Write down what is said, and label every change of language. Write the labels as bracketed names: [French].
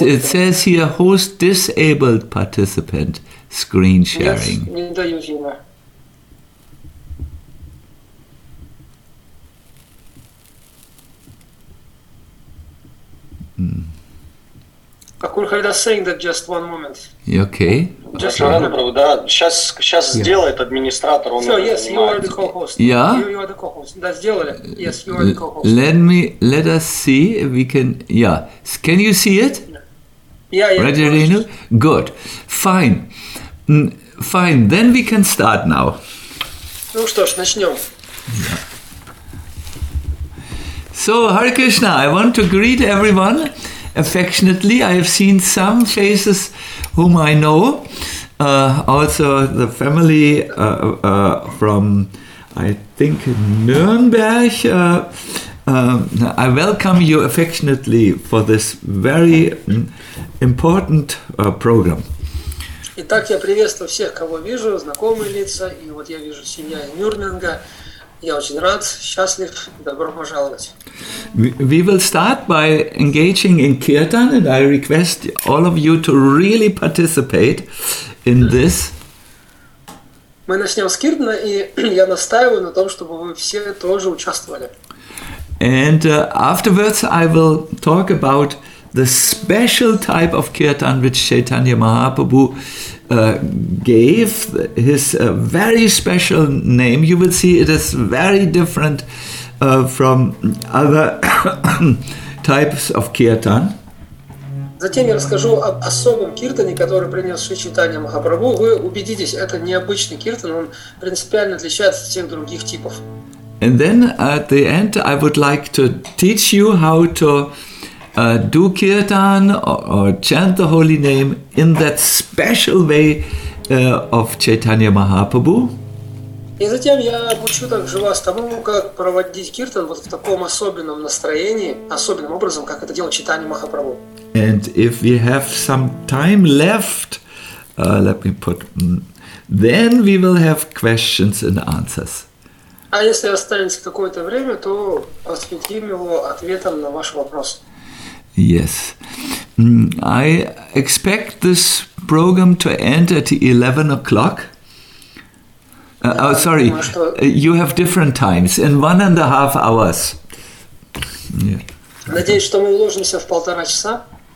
[English] It says here, host disabled participant screen sharing. Akul Harida saying that just one moment. Okay. Just one moment. [Russian] Сейчас сделает администратор. [English] So, yes, you are the co-host. Yeah? You are the co-host. [Russian] Да, сделали. [English] Yes, you are the co-host. Let us see if we can. Yeah. Can you see it? Yeah. Rajarenu? Good. Fine. Fine, then we can start now. [Russian] Ну что ж, начнем. [English] So, Hare Krishna, I want to greet everyone affectionately. I have seen some faces whom I know. Also, the family from, I think, Nuremberg. I welcome you affectionately for this very important program. [Russian] Итак, я приветствую всех, кого вижу, знакомые лица, и вот я вижу семья Нюрнберга. Я очень рад, счастлив, добро пожаловать. [English] We will start by engaging in kirtan, and I request all of you to really participate in this. [Russian] Мы начнем с киртана, и я настаиваю на том, чтобы вы все тоже участвовали. [English] And afterwards I will talk about the special type of kirtan which Chaitanya Mahaprabhu gave, his very special name. You will see it is very different from other types of kirtan. [Russian] Затем я расскажу об особом киртане, который принес Шри Чайтанья Махапрабху. Вы убедитесь, это необычный киртан, он принципиально отличается от всех других типов. [English] And then at the end I would like to teach you how to do kirtan or chant the holy name in that special way of Chaitanya Mahaprabhu. [Russian] И затем я обучу также вас тому, как проводить киртан вот в таком особенном настроении, особенным образом, как это делал Чайтанья Махапрабху. [English] And if we have some time left, let me put, then we will have questions and answers. [Russian] А если останется какое-то время, то посвятим его ответом на ваш вопрос. [English] Yes. I expect this program to end at 11 o'clock. Sorry, you have different times, in 1.5 hours. Yeah. [Russian] Надеюсь, что мы уложимся в полтора часа.